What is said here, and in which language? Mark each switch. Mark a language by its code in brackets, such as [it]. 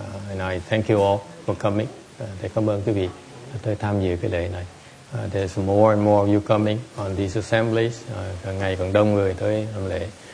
[en] And I thank you all for coming. [vi] Thầy cảm ơn quý vị tới tham dự cái lễ này. [en] There's more and more of you coming on these assemblies. [vi] Càng ngày càng đông người tới làm lễ.